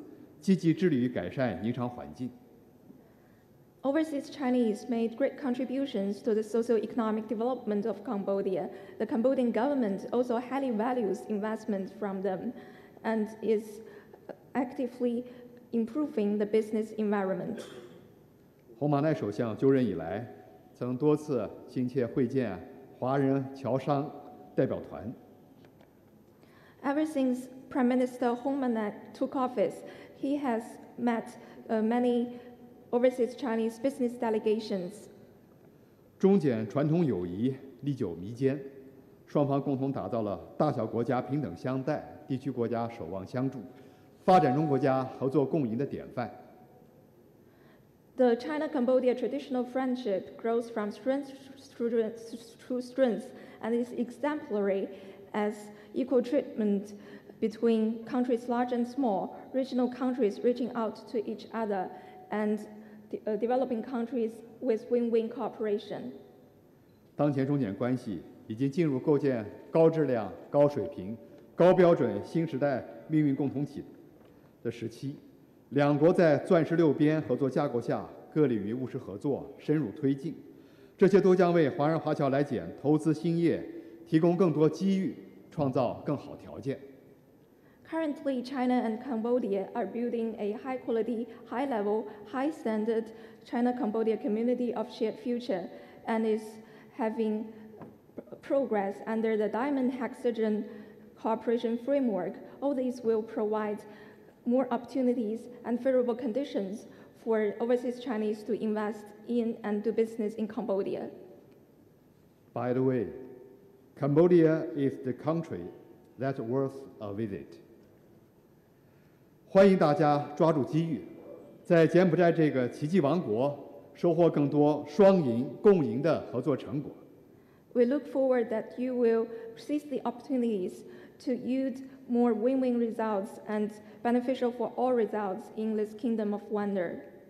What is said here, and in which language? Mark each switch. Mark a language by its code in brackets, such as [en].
[zh] 华人华侨为推动柬经济社会发展做出了重要贡献。柬埔寨政府重视吸引华人华侨来柬投资，积极致力于改善营商环境。 [en] Overseas Chinese made great contributions to the socio-economic development of Cambodia. The Cambodian government also highly values investment from them and is actively improving the business environment. [zh] 洪马乃首相就任以来，曾多次亲切会见华人侨商代表团。 [en] Ever since Prime Minister Hun Manet took office, he has met many overseas Chinese business delegations. [zh] 中柬传统友谊历久弥坚，双方共同打造了大小国家平等相待、地区国家守望相助、发展中国家合作共赢的典范。 [en] The China-Cambodia traditional friendship grows from strength and is exemplary as equal treatment between countries large and small, regional countries reaching out to each other and developing countries with win-win cooperation. [zh] 当前中柬关系已经进入构建高质量、高水平、高标准新时代命运共同体的时期，两国在钻石六边合作架构下各领域务实合作深入推进，这些都将为华人华侨来柬投资兴业提供更多机遇，创造更好条件。 [en] Currently, China and Cambodia are building a high-quality, high-level, high-standard China-Cambodia community of shared future and is having progress under the Diamond Hexagon Cooperation Framework. All these will provide more opportunities and favorable conditions for overseas Chinese to invest in and do business in Cambodia. By the way, Cambodia is the country that's worth a visit. [zh] 欢迎大家抓住机遇，在柬埔寨这个奇迹王国收获更多双赢共赢的合作成果。 [en] We look forward that you will seize the opportunities to yield more win-win results and beneficial for all results in this kingdom of wonder.